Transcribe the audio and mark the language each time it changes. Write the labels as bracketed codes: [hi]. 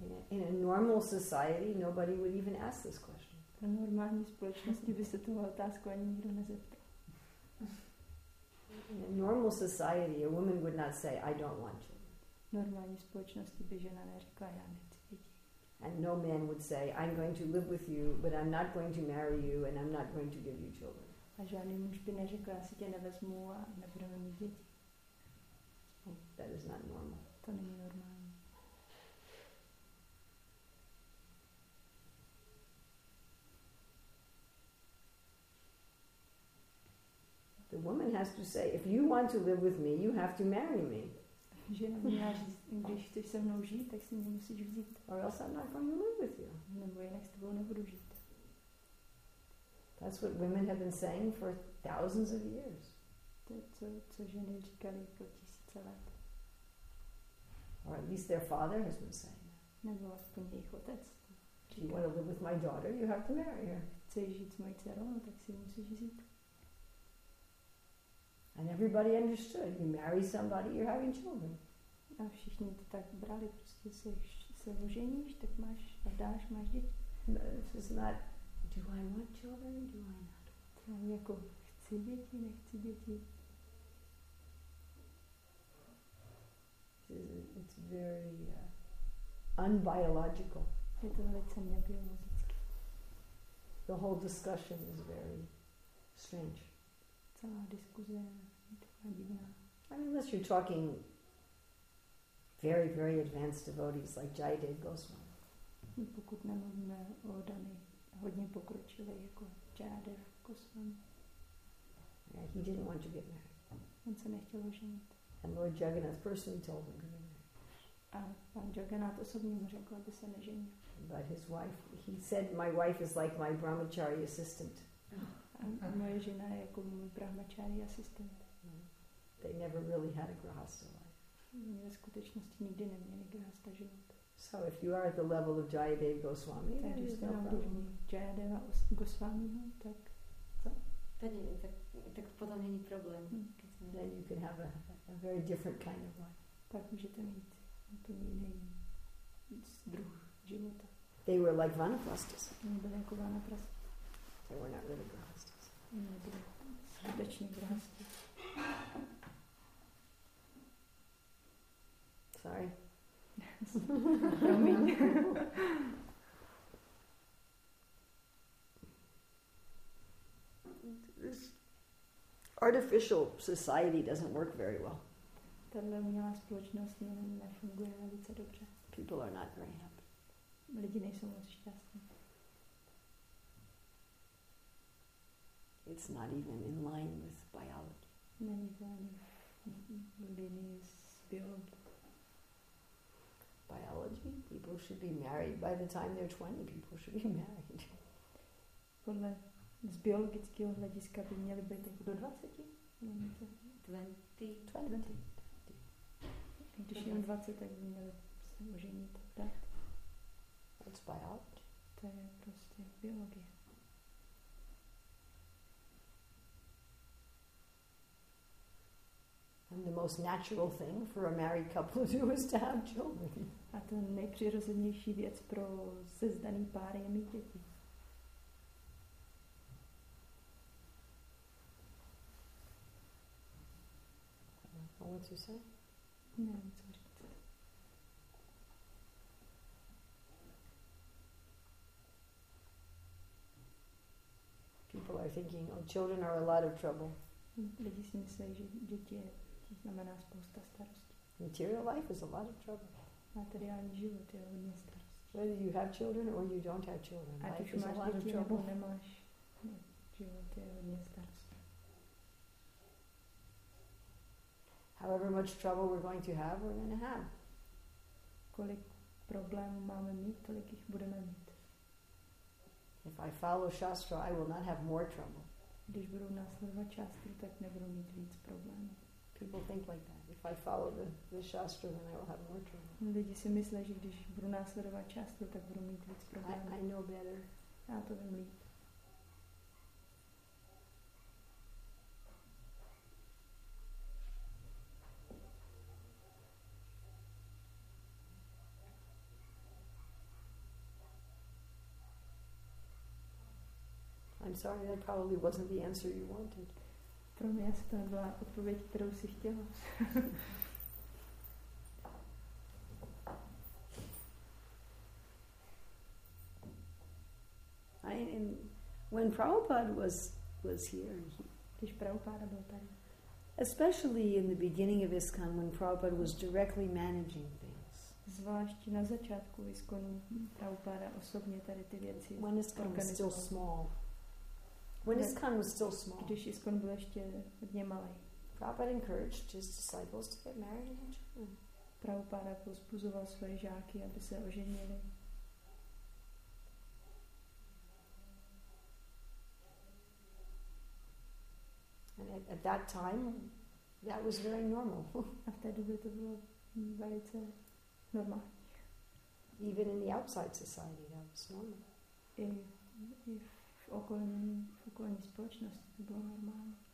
[en] In a normal society, nobody would even ask this question. [cs] V normální společnosti by se tuhle otázku ani nikdo nezeptal. [en] In a normal society, a woman would not say, "I don't want children." [cs] V normální společnosti by žena neřekla, já nechci děti. [en] And no man would say, "I'm going to live with you, but I'm not going to marry you, and I'm not going to give you children." [cs] A žádný muž by neřekl, já si tě nevezmu a nebudeme mít děti. [en] That is not normal. [cs] To není normální. [en] The woman has to say, if you want to live with me, you have to marry me. [cs] Žena měla říct, když chceš se mnou žít, tak si mě musíš vzít. [en] Or else I'm not going to live with you. [cs] Nebo jinak s tebou nebudu žít. [en] That's what women have been saying for thousands of years. [cs] To je to, co ženy říkali po tisíce let. [en] Or at least their father has been saying. [cs] Nebo aspoň jejich otec. [en] Do you want to live with my daughter? You have to marry her. [cs] Chceš žít s mojí dcerou, tak si musíš žít. [en] And everybody understood. You marry somebody, you're having children. [cs] A všichni to tak brali, prostě se oženíš, tak máš, a dáš, máš děti. [en] No, this is not, do I want children, do I not want children? [cs] Jako, chci děti, nechci děti. [en] It's very unbiological. [cs] Je to velice nebiologické. [en] The whole discussion is very strange. [cs] Celá diskuze je taková divná. [en] I mean, unless you're talking very, very advanced devotees like Jayadev Goswami. [cs] Pokud nemluvíme o Dhani, hodně pokročili jako Jayadev Goswami. [en] Yeah, he didn't want to get married. [cs] On se nechtěl oženit. [en] And Lord Jagannath personally told him to get married. [cs] A pan Jagannath osobně mu řekl, aby se neženil. [en] But his wife, he said, my wife is like my brahmachari assistant. [cs] A moje žena je jako můj brahmachari assistant. [en] They never really had a grahasta life. [cs] Oni ve skutečnosti nikdy neměli grahasta život. [en] So if you are at the level of Jayadev Goswami, [cs] tak [en] there is no problem. [cs] Jayadeva Goswamiho, tak co? Tak potom není problém. [en] Then you can have a very different kind of life. [cs] Tak můžete mít úplně jiný druh života. [en] They were like vanaprastas. [cs] Oni byli jako vanaprastas. [en] They were not really grahastas. [cs] Oni byli skutečně grahastas. [en] Sorry. [cs] Promiň. [en] This artificial society doesn't work very well. [cs] Tato umělá společnost nefunguje velice dobře. [en] People are not very happy. [cs] Lidi nejsou moc šťastní. [en] It's not even in line with biology. [cs] Není to ani v linii s biologií. [en] Biology. People should be married by the time they're 20. People should be married. [cs] Podle z biologického hlediska by měli být jako do 20. 20. Když jim 20, tak by měli se oženit. [en] That's biology. [cs] To je prostě biologie. [en] And the most natural thing for a married couple to do is to have children. [cs] A to nejpřirozenější věc pro sezdaný pár je mít děti. [en] What you say? [cs] Ne, co říct. [en] People are thinking, oh, children are a lot of trouble. [cs] Lidi si myslí, že děti je znamená spousta starostí. [en] Material life is a lot of trouble. [cs] Materiální život je hodně starost. [en] Whether you have children or you don't have children, [cs] ať [en] life is a lot of trouble. [cs] Nebo nemáš, život je hodně starost. [en] However much trouble we're going to have, we're going to have. [cs] Kolik problémů máme mít, tolik jich budeme mít. [en] If I follow Shastra, I will not have more trouble. [cs] Když budu následovat Shastru, tak nebudu mít víc problémů. [en] People think like that. If I follow the Shastra, then I will have more trouble. [cs] Lidi si myslí, že když budu následovat Shastru, tak budu mít víc problémů. [en] I know better. [cs] Já to vím líp. [en] I'm sorry, that probably wasn't the answer you wanted. [cs] Pro mě to byla odpověď, kterou si chtěla. [en] When Prabhupada was here, [cs] když Prabhupada byl tady, [en] especially in the beginning of ISKCON, when Prabhupada was directly managing things, [cs] zvlášť na začátku ISKCONu, Prabhupada osobně tady ty věci organizoval. [en] When ISKCON was still small, [cs] když ISKCON byl ještě hodně malý, [en] Prabhupada encouraged his disciples to get married and have children. [cs] Prabhupada pozbuzoval své žáky, aby se oženili. [en] And at that time, that was very normal. [cs] A v té době to bylo velice normální. [en] Even in the outside society, that was normal. [cs] I v okolní společnosti to bylo normální.